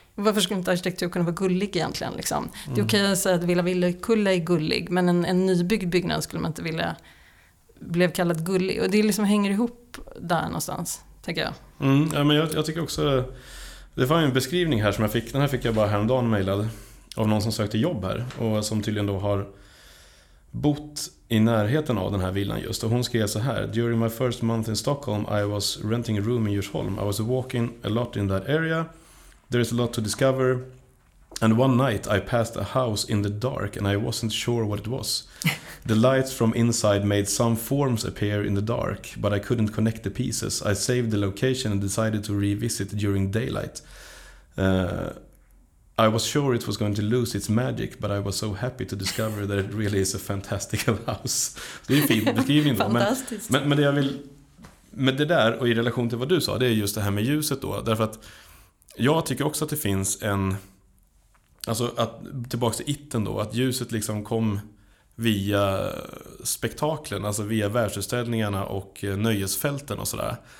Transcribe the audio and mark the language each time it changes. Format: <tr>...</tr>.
<sv>Varför skulle inte arkitektur kunna vara gullig egentligen? Liksom? Det är okej att säga att Villa Villekulla är gullig, men en nybyggd byggnad skulle man inte vilja blev kallad gullig, och det liksom hänger ihop där någonstans, tänker jag. Ja, men jag tycker också, det var ju en beskrivning här som jag fick, den här fick jag bara häromdagen mejlad. av någon som sökte jobb här och som tydligen då har bott i närheten av den här villan just. Och hon skrev så här:</sv> <en>"During my first month in Stockholm I was renting a room in Djursholm. I was walking a lot in that area. There is a lot to discover. And one night I passed a house in the dark and I wasn't sure what it was. The lights from inside made some forms appear in the dark, but I couldn't connect the pieces. I saved the location and decided to revisit during daylight. I was sure it was going to lose its magic, but I was so happy to discover that it really is a fantastical house."</en> <sv>Det är en fin beskrivning då. Fantastiskt. Men det jag vill med det där och i relation till vad du sa, det är just det här med ljuset då. Därför att jag tycker också att det finns en, alltså att tillbaka till itten då, att ljuset liksom kom via spektaklen, alltså via världsutställningarna och nöjesfälten och sådär.</sv>